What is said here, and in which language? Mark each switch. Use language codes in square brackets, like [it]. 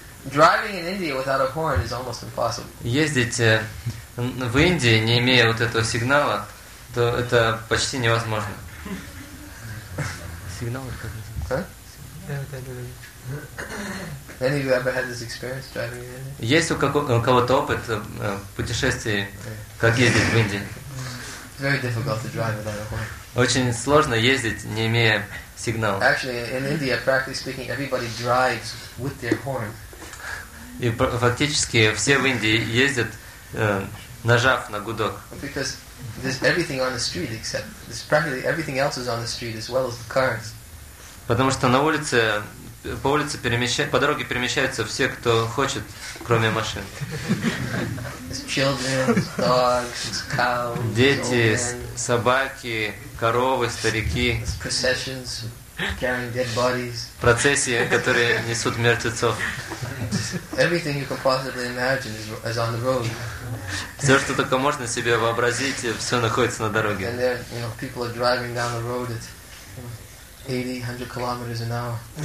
[en] Driving in India without a horn is almost impossible. [ru] Ездить в Индии, не имея вот этого сигнала, то это почти невозможно. Сигнал как это? [en] Any of you ever had this experience driving in India? [ru] Есть у кого-то опыт путешествий, как ездить в Индии? [en] It's very difficult to drive without a horn. [ru] Очень сложно ездить, не имея сигнала. [en] Actually, in India, practically speaking, everybody drives with their horn. [ru] И фактически все в Индии ездят нажав на гудок. [en] Because there's everything on the street except there's practically everything else is on the street as well as the cars. [ru] Потому что на улице по улице перемещаются, по дороге перемещаются все, кто хочет, кроме машин. [en] Children, dogs, cows, [ru] дети, собаки, коровы, старики. [en] Processions carrying dead bodies. [ru] Процессии, которые несут мертвецов. [en] Everything you can possibly imagine is on the road. [ru] Все, что только можно себе вообразить, все находится на дороге. [en] And there, you know, people are driving down the road at 80-100 kilometers an hour.